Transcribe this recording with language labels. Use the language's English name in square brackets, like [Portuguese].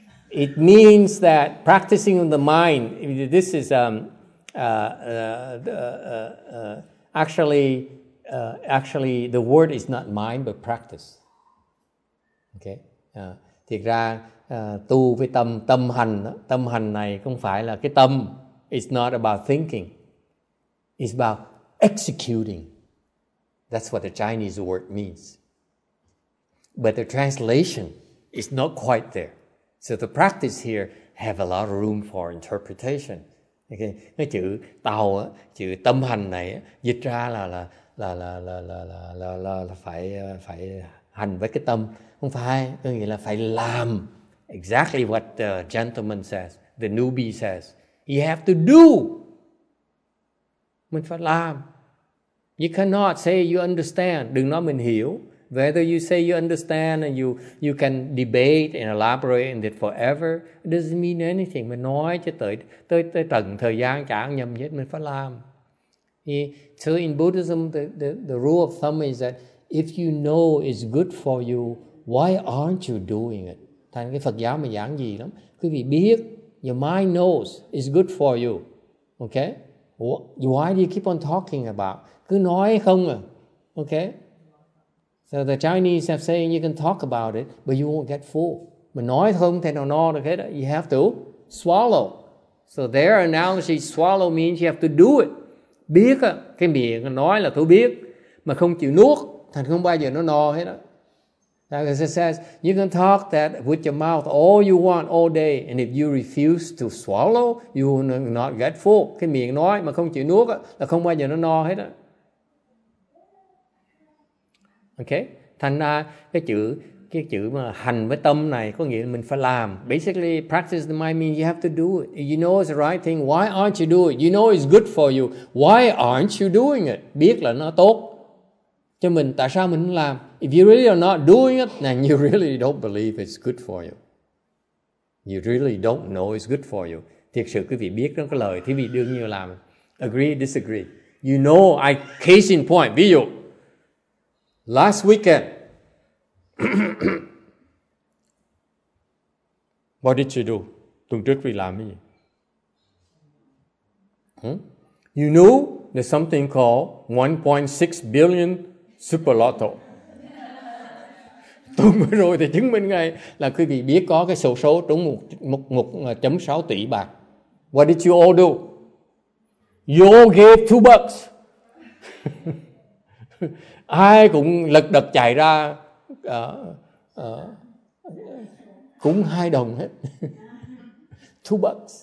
[English] It means that practicing the mind, this is actually the word is not mind, but practice. Okay? [Vietnamese] Thiệt ra, tu với tâm, tâm hành này không phải là cái tâm. [English] It's not about thinking. It's about executing. That's what the Chinese word means. But the translation is not quite there. So the practice here have a lot of room for interpretation. [Vietnamese] Okay, cái chữ tàu á, chữ tâm hành này á, dịch ra là phải phải hành với cái tâm, không phải, có nghĩa là phải làm. [English] Exactly what the gentleman says, the newbie says. You have to do. [Vietnamese] Mình phải làm. [English] You cannot say you understand. [Vietnamese] Đừng nói mình hiểu. [English] Whether you say you understand and you can debate and elaborate on it forever, it doesn't mean anything. [Vietnamese] Mình nói cho tới tận thời gian chẳng nhầm hết, mình phải làm. [English] So in Buddhism, the rule of thumb is that If you know it's good for you, why aren't you doing it? [Vietnamese] Thành cái Phật giáo mà giảng gì lắm. Quý vị biết, [English] your mind knows it's good for you. Okay? Why do you keep on talking about? [Vietnamese] Cứ nói không à. [English] Okay? So the Chinese have saying you can talk about it, but you won't get full. [Vietnamese] Mà nói không thì nó no, okay? [English] You have to swallow. So their analogy, swallow means you have to do it. [Vietnamese] Biết á, cái miệng nói là tôi biết, mà không chịu nuốt, thành không bao giờ nó no hết á. [English] Like it says, you can talk that with your mouth all you want all day, and if you refuse to swallow, you will not get full. [Vietnamese] Cái miệng nói mà không chịu nuốt á, là không bao giờ nó no hết á. Okay? Thành ra cái chữ mà hành với tâm này có nghĩa là mình phải làm. [English] Basically, practice the mind means you have to do it. You know it's the right thing. Why aren't you doing it? You know it's good for you. Why aren't you doing it? [Vietnamese] Biết là nó tốt cho mình. Tại sao mình không làm? [English] If you really are not doing it, then you really don't believe it's good for you. You really don't know it's good for you. [Vietnamese] Thiệt sự quý vị biết nó có lợi, thì quý vị đương nhiên làm. [English] Agree, disagree. You know, I case in point. [Vietnamese] Ví dụ, [English] last weekend, what did you do? [Vietnamese] Tuần trước vì làm cái gì? [English] You knew there's something called 1.6 billion super lotto. [Vietnamese] Tuần vừa rồi thì chứng minh ngay là quý vị biết có cái số trúng 1.6 tỷ bạc. [English] What did you all do? You all gave $2. [Vietnamese] Ai cũng lật đật chạy ra cũng hai đồng hết. $2.